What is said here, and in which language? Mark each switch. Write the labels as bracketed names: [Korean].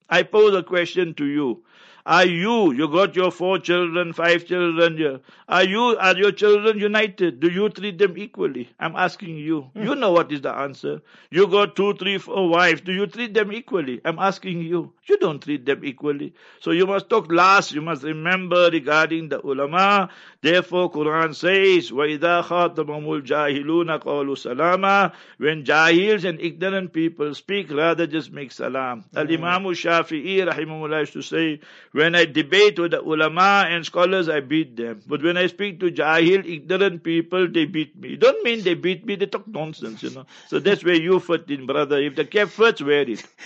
[English] I pose a question to you. Are you, you got your 4 children, 5 children, are your children united? Do you treat them equally? I'm asking you. You know what is the answer. You got 2, 3, 4 wives. Do you treat them equally? I'm asking you. You don't treat them equally. So you must talk last. You must remember regarding the ulama. Therefore, Quran says, [Arabic] وَإِذَا خَاتَمَهُمُ الْجَاهِلُونَ قَالُوا سَلَامًا. [English] When jahils and ignorant people speak, rather just make salam. Al-Imam Shafi'i, rahimahullah, used to say, when I debate with the ulama and scholars, I beat them. But when I speak to jahil, ignorant people, they beat me. Don't mean they beat me, they talk nonsense, you know. So that's where you fit in, brother. If the cap fits, wear it.